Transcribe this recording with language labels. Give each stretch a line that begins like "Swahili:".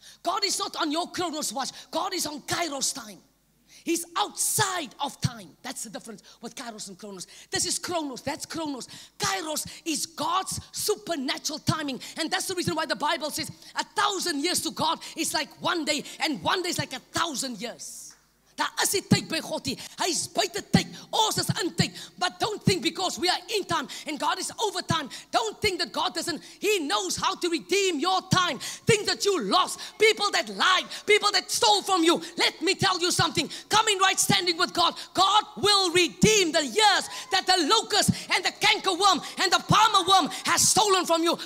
English: God is not on your Kronos watch. God is on Kairos time. He's outside of time. That's the difference with Kairos and Kronos. This is Kronos. That's Kronos. Kairos is God's supernatural timing. And that's the reason why the Bible says 1,000 years to God is like one day. And one day is like 1,000 years.
Afrikaans: Daar is die tyd by God. Hy is buite tyd. Ons is in tyd.
English: But don't think because we are in time and God is over time. Don't think that God doesn't. He knows how to redeem your time. Things that you lost. People that lied. People that stole from you. Let me tell you something. Come in right standing with God. God will redeem the years that the locust and the canker worm and the palmer worm has stolen from you.